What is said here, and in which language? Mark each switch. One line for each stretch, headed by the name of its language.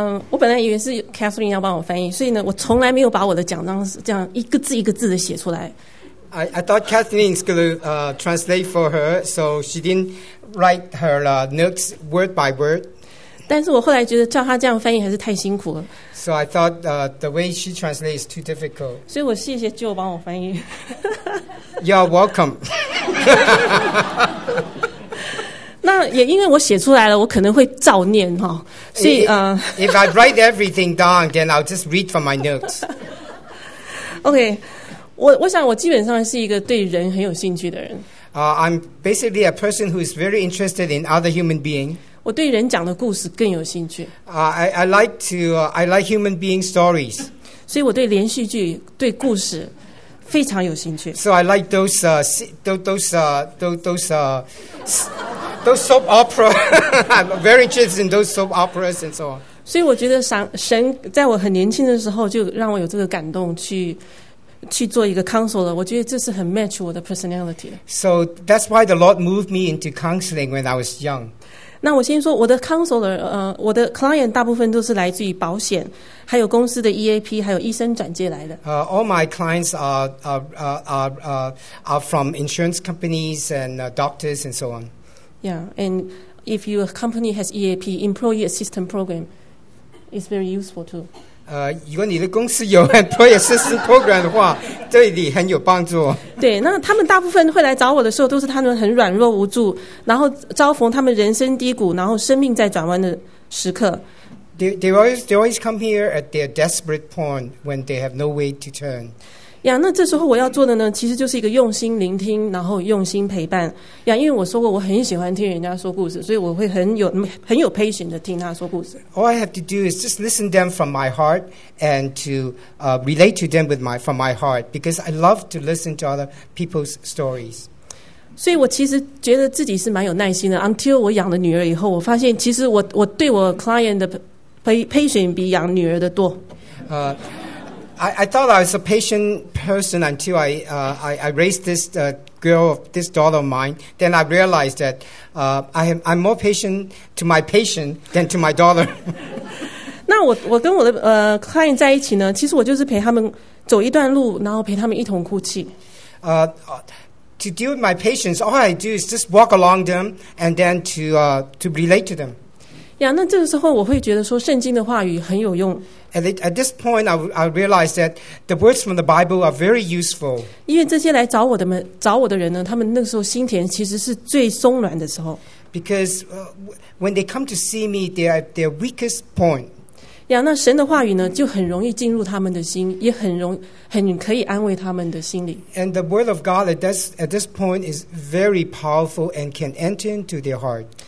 Chinese: 我本来以为是 Catherine 要帮我翻译，所以呢，我从来没有把我的讲章这样一个字一个字的写出来。
English: I thought Catherine is going to translate for her, so she didn't write her notes word by word.
Chinese: 但是我后来觉得叫她这样翻译还是太辛苦了。
English: So I thought the way she translates is too difficult.
Chinese: 所以我谢谢舅帮我翻译。
English: You're welcome.
Chinese: 那也因为我写出来了，我可能会照念哈。所以
English: If I write everything down, then I'll just read from my notes.
Chinese: Okay, 我想我基本上是一个对人很有兴趣的人。
English: I'm basically a person who is very interested in other human beings.
Chinese: 我对人讲的故事更有兴趣。
English: I like human being stories.
Chinese: 所以我对连续剧、对故事非常有兴趣。
English: So I like those soap opera. I'm very interested in those soap operas and so on.
Chinese: 所以我觉得神在我很年轻的时候就让我有这个感动去做一个 counselor， 我觉得这是很 match 我的 personality。
English: So that's why the Lord moved me into counseling when I was young.
Chinese: 那我先说我的 counselor， 我的 client 大部分都是来自于保险，还有公司的 EAP， 还有医生转介来的。
English: All my clients are from insurance companies and doctors and so on. Yeah, and if your company has EAP, Employee Assistance Program, is very useful too.
Chinese: 如果你的公司有 Employee Assistance Program 的话，对你很有帮助。对，那他们大部分会来找我的时候，都是他们很软弱无助，然后遭逢他们人生低谷，然后生命在转弯的时刻。
English: They always come here at their desperate point when they have no way to turn.
Chinese: Yeah, 那这时候我要做的呢，其实就是一个用心聆听，然后用心陪伴。 Yeah, 因为我说过我很喜欢听人家说故事，所以我会很有 patience 的听他说故事。
English: All I have to do is just listen them from my heart. And to relate to them from my heart, because I love to listen to other people's stories.
Chinese: 所以我其实觉得自己是蛮有耐心的
English: until
Chinese: 我养了女儿以后我发现其实 我对我 client 的 patient 比养女儿的多
English: I thought I was a patient person until I raised this girl, this daughter of mine. Then I realized that I'm more patient to my patient than to my daughter.
Chinese: 那我跟我的client 在一起呢，其实我就是陪他们走一段路，然后陪他们一同哭泣。
English: To deal with my patients, all I do is just walk along them and then to relate to them.
Chinese: Yeah, 那这个时候我会觉得说圣经的话语很有用。
English: At this point, I realized that the words from the Bible are very useful.
Chinese: 因为这些来找我的们找我的人呢，他们那个时候心田其实是最松软的时候。
English: Because when they come to see me, they are at their weakest point.
Chinese: 呀，那神的话语呢，就很容易进入他们的心，也很可以安慰他们的心里。
English: And the word of God at this point is very powerful and can enter into their heart.